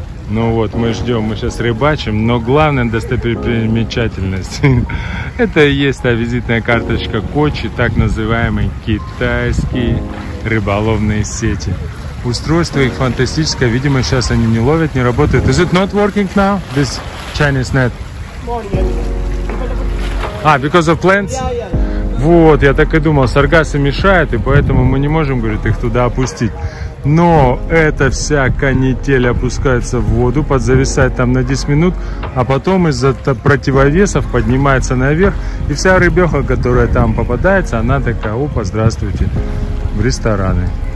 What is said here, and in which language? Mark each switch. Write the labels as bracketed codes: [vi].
[ru] Ну вот, мы ждем, мы сейчас рыбачим, но главная достопримечательность – это и есть та визитная карточка Кочи, так называемые китайские рыболовные сети. Устройство их фантастическое, видимо, сейчас они не ловят, не работают. [en] Is it not working now, this Chinese net? А, because of plants? [ru] Вот, я так и думал, саргасы мешают, и поэтому мы не можем, говорит, их туда опустить. Но эта вся канитель опускается в воду, подзависает там на 10 минут, а потом из-за противовесов поднимается наверх, и вся рыбеха, которая там попадается, она такая, опа, здравствуйте. в рестораны.